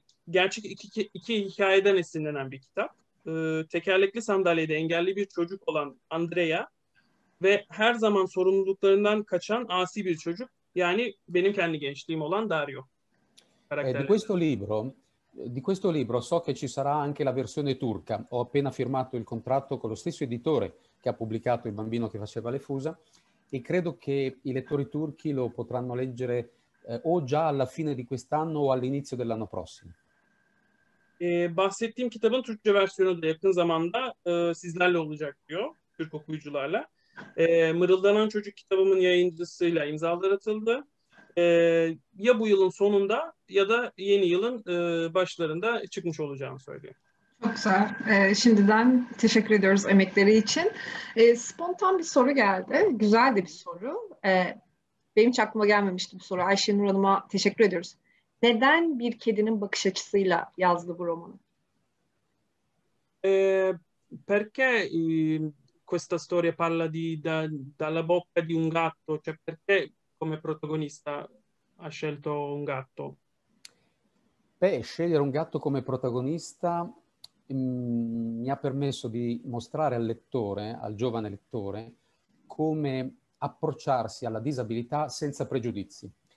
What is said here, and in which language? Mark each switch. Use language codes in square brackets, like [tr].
[tr] Gerçek iki hikayeden esinlenen bir kitap. Tekerlekli sandalyede engelli bir çocuk olan Andrea ve her zaman sorumluluklarından kaçan asi bir çocuk, yani benim kendi gençliğim olan Dario. [it] Di questo libro so che ci sarà anche la versione turca. Ho appena firmato il contratto con lo stesso editore che ha pubblicato Il bambino che faceva le fusa, e credo che i lettori turchi lo potranno leggere o già alla fine di quest'anno o all'inizio dell'anno prossimo. [tr] Bahsettiğim kitabın Türkçe versiyonu da yakın zamanda sizlerle olacak diyor, Türk okuyucularla. Mırıldanan Çocuk kitabımın yayıncısıyla imzalar atıldı. Ya bu yılın sonunda ya da yeni yılın başlarında çıkmış olacağını söylüyor. Çok güzel. Şimdiden teşekkür ediyoruz emekleri için. Spontan bir soru geldi. Güzel de bir soru. Benim hiç aklıma gelmemişti bu soru. Ayşenur Hanım'a teşekkür ediyoruz. Neden bir kedinin bakış açısıyla yazdı bu romanı? [it] Perché questa storia parla dalla bocca di un gatto? Cioè perché come protagonista ha scelto un gatto? Beh, scegliere un gatto come protagonista mi ha permesso di mostrare al lettore, al giovane lettore, come approcciarsi alla disabilità senza pregiudizi.